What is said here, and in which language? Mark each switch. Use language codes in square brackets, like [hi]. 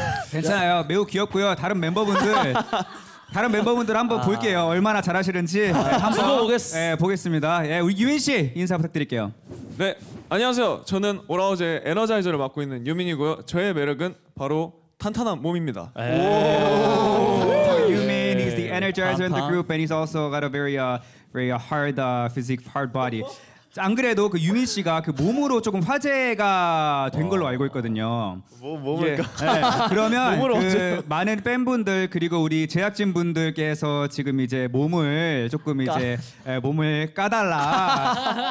[ko] 괜찮아요. 매우 귀엽고요. 다른 멤버분들 다른 멤버분들 한번 볼게요. 얼마나 잘하시는지 한번 보겠습니다. 예, 우리 유민 씨 인사 부탁드릴게요. 네, 안녕하세요. 저는 오라오즈의 에너자이저를 맡고 있는 유민이고요. 저의 매력은 바로 탄탄한 몸입니다. [en] 유민 is the energizer in the group, and he's also got a very hard physique, hard body. [ko] 안 그래도 그 유민 씨가 그 몸으로 조금 화제가 된 걸로 알고 있거든요. 몸을까? 예. 네. 그러면 몸을 그 많은 팬분들 그리고 우리 제작진 분들께서 지금 이제 몸을 조금 이제 몸을 까달라.